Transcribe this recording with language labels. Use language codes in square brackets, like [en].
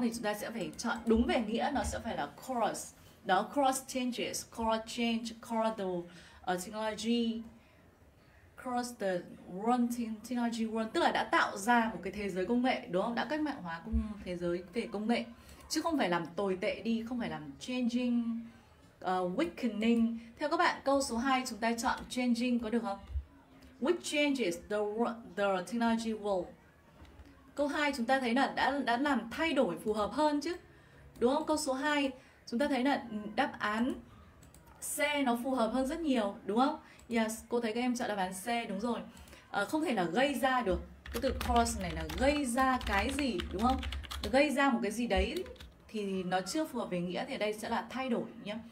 [vi] Thì chúng ta sẽ phải chọn đúng về nghĩa, nó sẽ phải là cause. Đó, [en] cause changes, cause change, cause the technology, cause the world technology world, [vi] tức là đã tạo ra một cái thế giới công nghệ đúng không? Đã cách mạng hóa cùng thế giới về công nghệ, chứ không phải làm tồi tệ đi, không phải làm changing, weakening. Theo các bạn câu số 2 chúng ta chọn changing có được không? [en] Which changes the technology world? [vi] Câu 2 chúng ta thấy là đã làm thay đổi phù hợp hơn chứ. Đúng không? Câu số 2 chúng ta thấy là đáp án C nó phù hợp hơn rất nhiều, đúng không? Yes, cô thấy các em chọn đáp án C đúng rồi. Không thể là gây ra được. Cái từ cause này là gây ra cái gì, đúng không? Gây ra một cái gì đấy thì nó chưa phù hợp về nghĩa, thì ở đây sẽ là thay đổi nhé.